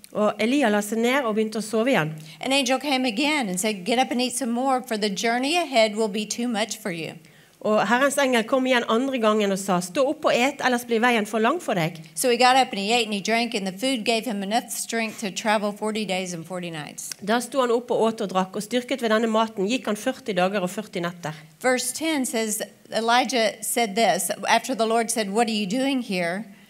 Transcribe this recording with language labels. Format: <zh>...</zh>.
<no>Og Elia la seg ned og begynte å sove igjen.</no> <en>An angel came again and said, get up and eat some more, for the journey ahead will be too much for you.</en> <no>Og Herrens engel kom igjen andre gangen og sa, stå opp og et, ellers blir veien for lang for deg.</no> <en>So he got up and he ate and he drank, and the food gave him enough strength to travel 40 days and 40 nights.</en> <no>Da sto han opp og åt og drakk, og styrket ved denne maten gikk han 40 dager og 40 netter.</no> <en>Verse 10 says, Elijah said this, after the Lord said, what are you doing here?</en>